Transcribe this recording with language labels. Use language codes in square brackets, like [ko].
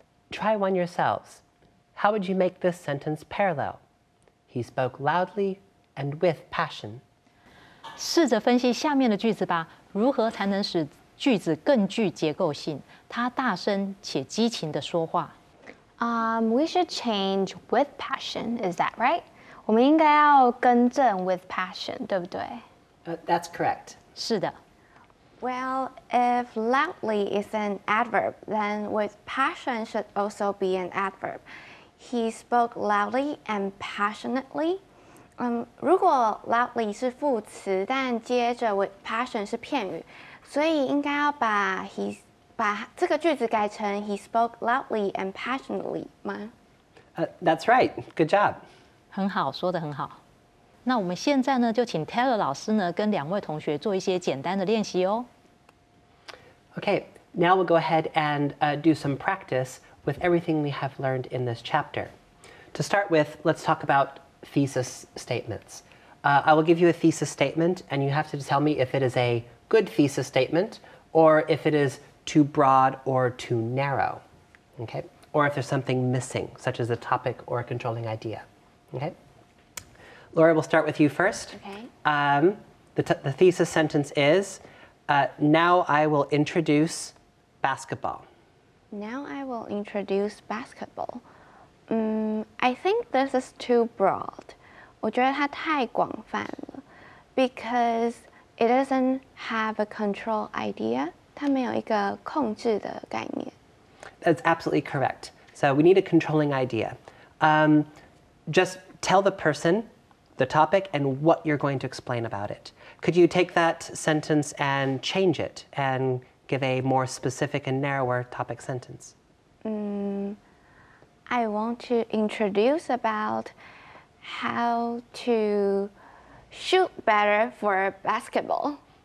[en] Try one yourselves. How would you make this sentence parallel? He spoke loudly and with passion. [zh] 试着分析下面的句子吧如何才能使句子更具结构性他大声且激情地说话。 [en] We should change with passion, is that right? [zh] 我们应该要更正 [en] with passion, [zh] 对不对 [en] That's correct. [zh] 是的。 [en] Well, if loudly is an adverb, then with passion should also be an adverb. He spoke loudly and passionately. [zh] 如果 loudly 是副词但接着 [en] with passion [zh] 是片语所以应该要把这个句子改成 [en] he spoke loudly and passionately [zh] 吗、 [en] That's right. Good job. [zh] 很好说得很好。那我们现在呢就请 Taylor 老师呢跟两位同学做一些简单的练习哦。 [en] Okay, now we'll go ahead and do some practice with everything we have learned in this chapter. To start with, let's talk aboutthesis statements. I will give you a thesis statement and you have to tell me if it is a good thesis statement or if it is too broad or too narrow. Okay? Or if there's something missing, such as a topic or a controlling idea. Okay? Laura, we'll start with you first. Okay. The thesis sentence is, now I will introduce basketball. Now I will introduce basketball. I think this is too broad. [zh] 我觉得它太广泛了 [en] because it doesn't have a control idea. [zh] 它没有一个控制的概念。 [en] That's absolutely correct. So we need a controlling idea. Just tell the person the topic and what you're going to explain about it. Could you take that sentence and change it and give a more specific and narrower topic sentence? I want to introduce about how to shoot better for basketball.